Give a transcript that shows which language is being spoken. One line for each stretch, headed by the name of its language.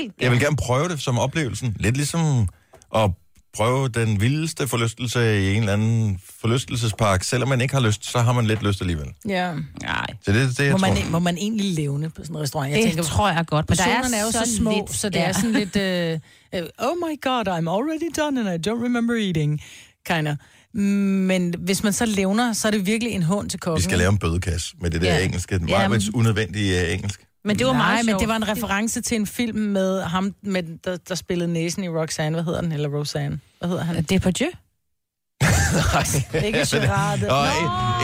Danish: gerne. Jeg vil gerne prøve det som oplevelsen. Lidt ligesom at prøve den vildeste forlystelse i en eller anden forlystelsespark. Selvom man ikke har lyst, så har man lidt lyst alligevel. Ja. Nej. Så det må man, må man egentlig levne på sådan en restaurant? Jeg tænker, tror jeg godt. Men personerne er jo så små, lidt, så det er sådan lidt...
English: oh my god, I'm already done and I don't remember eating. Kind of.
Danish: Men hvis man så levner, så er det virkelig en hund til kokken. Vi skal lave en bødekasse med det der engelske. Den var lidt unødvendig engelsk. Men det var meget sjovt. Men det var en reference til en film med ham, med, der spillede næsen i Roxanne. Hvad hedder han? Eller Roseanne? Hvad hedder han? Depardieu? Nej. Ikke Gerard.